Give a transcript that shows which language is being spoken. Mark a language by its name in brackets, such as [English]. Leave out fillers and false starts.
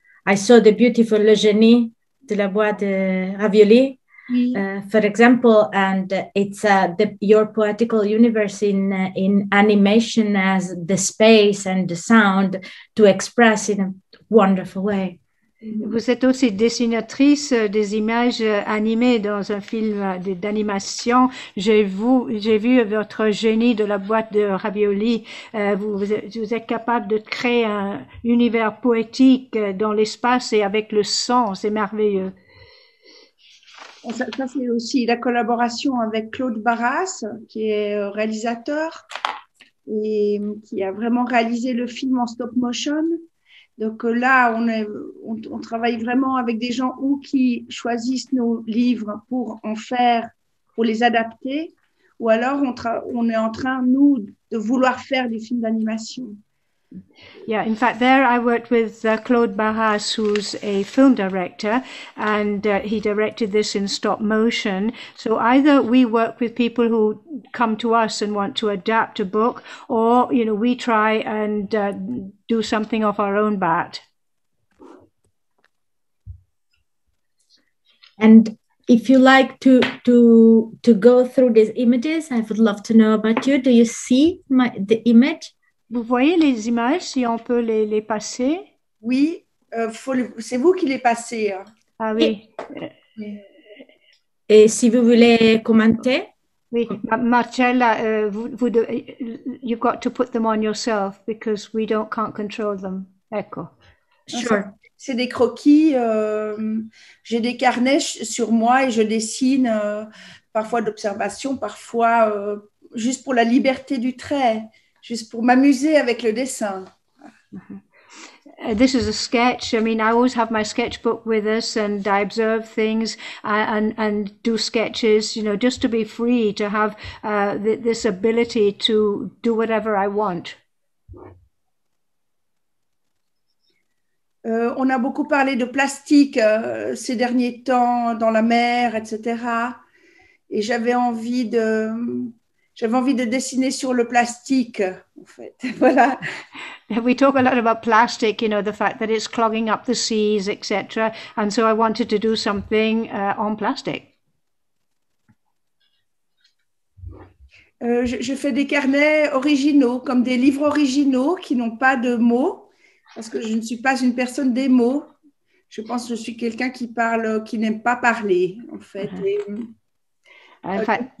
[English] I saw the beautiful Eugénie de la Boîte de Ravioli, for example, and it's your poetical universe in animation as the space and the sound to express in a wonderful way. [French] Vous êtes aussi dessinatrice des images animées dans un film d'animation. J'ai vu votre génie de la boîte de ravioli. Vous êtes capable de créer un univers poétique dans l'espace et avec le son. C'est merveilleux. Ça c'est aussi la collaboration avec Claude Barrasse, qui est réalisateur et qui a vraiment réalisé le film en stop motion. Donc là, on travaille vraiment avec des gens ou qui choisissent nos livres pour en faire, pour les adapter, ou alors on est en train, nous, de vouloir faire des films d'animation. [English] Yeah, in fact, there I worked with Claude Barrás, who's a film director, and he directed this in stop motion. So either we work with people who come to us and want to adapt a book, or we try and do something off our own bat. And if you like to go through these images, I would love to know about you. Do you see the image? [French] Vous voyez les images, si on peut les passer? Oui, c'est vous qui les passez. Ah oui. Et si vous voulez commenter? Oui, [English] Marcella, you've got to put them on yourself because we don't can't control them. [Italian] Ecco. [English] Sure. [French] C'est des croquis. J'ai des carnets sur moi et je dessine parfois d'observation, parfois juste pour la liberté du trait, juste pour m'amuser avec le dessin. [English] This is a sketch. I mean, I always have my sketchbook with us, and I observe things and do sketches, you know, just to be free to have this ability to do whatever I want. [French] On a beaucoup parlé de plastique ces derniers temps dans la mer, etc. Et j'avais envie de dessiner sur le plastique, en fait. Voilà. [English] We talk a lot about plastic, you know, the fact that it's clogging up the seas, etc. And so I wanted to do something on plastic. [French] Je fais des carnets originaux, comme des livres originaux qui n'ont pas de mots. Parce que je ne suis pas une personne des mots. Je pense que je suis quelqu'un qui parle, qui n'aime pas parler, en fait. Et, [English] In fact,